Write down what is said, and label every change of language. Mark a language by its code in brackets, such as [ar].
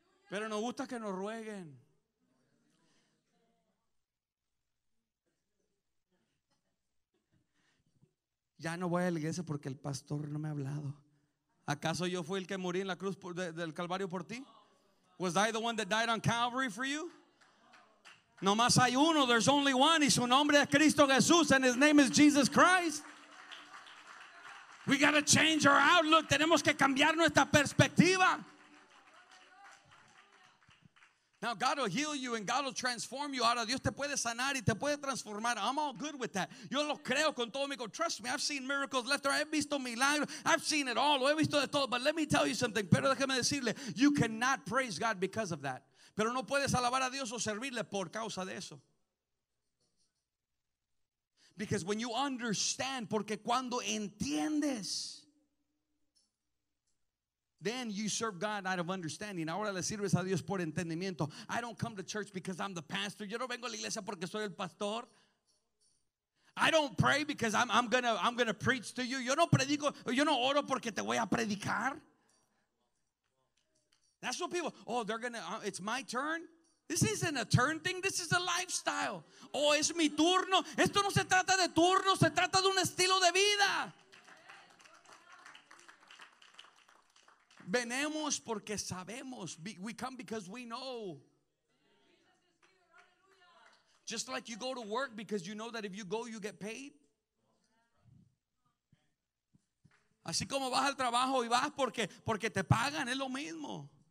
[es] Pero nos gusta que nos rueguen. Ya no voy a la iglesia porque el pastor no me ha hablado. ¿Acaso yo fui el que morí en la cruz del Calvario por ti? [en] Was I the one that died on Calvary for you? [es] No más hay uno, [en] there's only one. [es] Y su nombre es Cristo Jesús, [en] and his name is Jesus Christ. We got to change our outlook. [es] Tenemos que cambiar nuestra perspectiva. [en] Now God will heal you and God will transform you. [es] Ahora Dios te puede sanar y te puede transformar. [en] I'm all good with that. [es] Yo lo creo con todo mi corazón. [en] Trust me, I've seen miracles left or right. [es] He visto milagros. [en] I've seen it all. [es] Lo he visto de todo. [en] But let me tell you something. [es] Pero déjame decirle, [en] you cannot praise God because of that. [es] Pero no puedes alabar a Dios o servirle por causa de eso. [en] Because when you understand, [es] porque cuando entiendes, [en] then you serve God out of understanding. [es] Ahora le sirves a Dios por entendimiento. [en] I don't come to church because I'm the pastor. [es] Yo no vengo a la iglesia porque soy el pastor. [en] I don't pray because I'm gonna preach to you. [es] Yo no predico, yo no oro porque te voy a predicar. [en] That's what people, oh, they're gonna, it's my turn. This isn't a turn thing, this is a lifestyle. [es] Oh, es mi turno. Esto no se trata de turno, se trata de un estilo de vida. Venemos porque sabemos. [en] We come because we know. Just like you go to work because you know that if you go, you get paid. [es] Así como vas al trabajo y vas porque te pagan, es lo mismo.